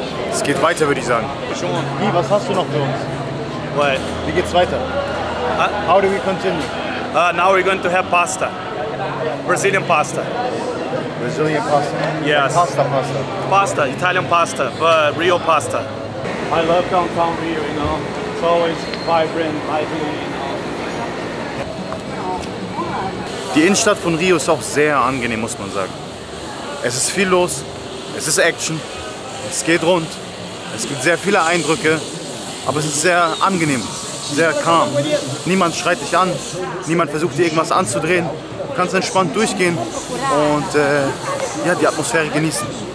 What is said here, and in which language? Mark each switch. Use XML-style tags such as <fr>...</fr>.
<de>Es geht weiter, würde ich sagen. Wie, was hast du noch für uns?</de> <en>What?</en> <de>Wie geht's weiter?</de> <en>How do we continue? Now we're going to have pasta. Brazilian pasta. Brazilian pasta? Yes. Like pasta. Pasta, Italian pasta, but real pasta. I love downtown Rio, you know. It's always vibrant, lively, you know.</en> <de>Die Innenstadt von Rio ist auch sehr angenehm, muss man sagen. Es ist viel los, es ist Action, es geht rund, es gibt sehr viele Eindrücke, aber es ist sehr angenehm, sehr calm. Niemand schreit dich an, niemand versucht dir irgendwas anzudrehen. Du kannst entspannt durchgehen und ja, die Atmosphäre genießen.</de>